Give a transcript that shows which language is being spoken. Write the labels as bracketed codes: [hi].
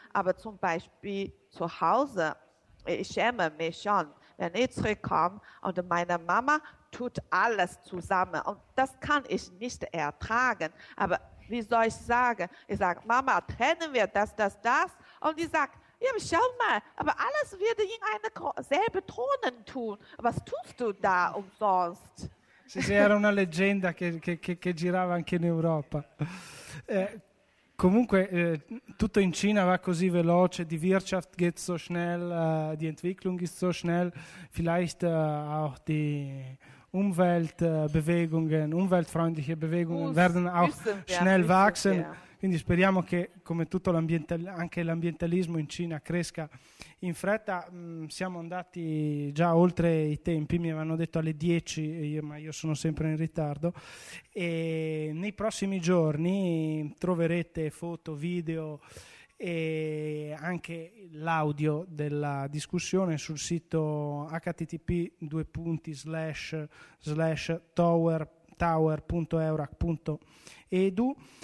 [de] Aber zum Beispiel zu Hause, ich schäme mich schon, wenn ich zurückkomme und meine Mama tut alles zusammen und das kann ich nicht ertragen. Aber wie soll ich sagen? Ich sage, Mama, trennen wir das. Und die sagt, ja, schau mal, aber alles wird in einer selben Tonne tun. Was tust du da umsonst? [it] Sì, era una leggenda che girava anche in Europa. Comunque, tutto in Cina va così veloce, [de] die Wirtschaft geht so schnell, die Entwicklung ist so schnell, vielleicht auch die Umweltbewegungen, umweltfreundliche Bewegungen werden auch schnell wachsen. [it] Quindi speriamo che, come tutto anche l'ambientalismo in Cina cresca in fretta. Siamo andati già oltre i tempi, mi avevano detto alle 10, ma io sono sempre in ritardo. E nei prossimi giorni troverete foto, video e anche l'audio della discussione sul sito http://tower.eurac.edu.